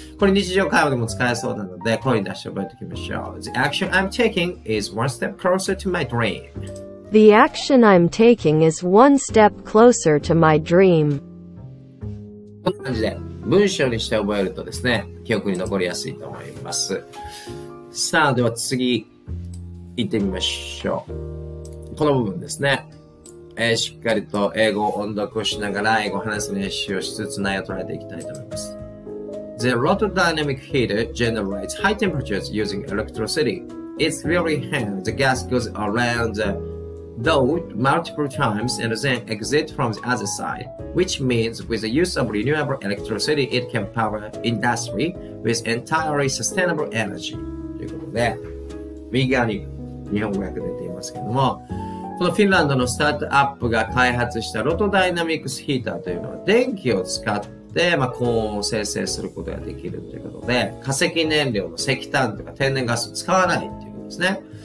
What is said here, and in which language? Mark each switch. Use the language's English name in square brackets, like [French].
[Japanese] これ日常会話でも使えそうなので、声に出して覚えておきましょう。 [English] The action I'm taking is one step closer to my dream. The action I'm taking is one step closer to my dream. [Japanese] こんな感じで文章にして覚えるとですね、記憶に残りやすいと思います。さあでは次行ってみましょう。この部分ですね、しっかりと英語を音読しながら英語を話す練習をしつつ内容を捉えていきたいと思います。 [English] The rotor dynamic heater generates high temperatures using electricity. It's really hot. The gas goes around the dough multiple times and then exits from the other side. Which means with the use of renewable electricity, it can power industry with entirely sustainable energy. [Japanese] ということで、右側に日本語訳出ていますけども、このフィンランドのスタートアップが開発したロトダイナミクスヒーターというのは、電気を使って、まあ、高温を生成することができるということで、化石燃料の石炭とか天然ガスを使わないということですね。